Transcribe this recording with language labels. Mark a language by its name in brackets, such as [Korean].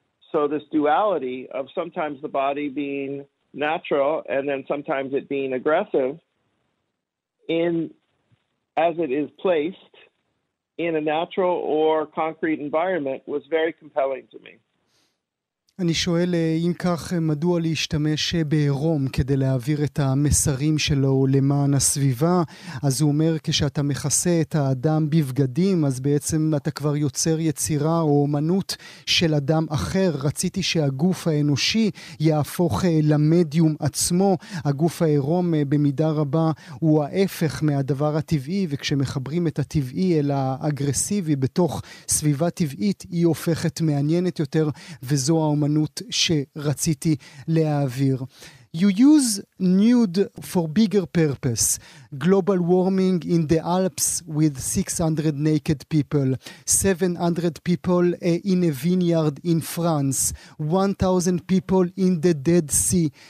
[English] So this duality of sometimes the body being natural and then sometimes it being aggressive in as it is placed in a natural or concrete environment was very compelling to me. [Hebrew] אני שואל, אם כך, מדוע להשתמש בעירום כדי להעביר את המסרים שלו למען הסביבה? אז הוא אומר, כשאתה מכסה את האדם בבגדים, אז בעצם אתה כבר יוצר יצירה או אומנות של אדם אחר. רציתי שהגוף האנושי יהפוך למדיום עצמו. הגוף העירום במידה רבה הוא ההפך מהדבר הטבעי, וכשמחברים את הטבעי אל האגרסיבי בתוך סביבה טבעית, היא הופכת מעניינת יותר, וזו האומנות. אמנות שרציתי להעביר. [English] You use nude for bigger purpose. Global warming in the Alps with 600 naked people, 700 people in a vineyard in France, 1,000 people in the Dead Sea.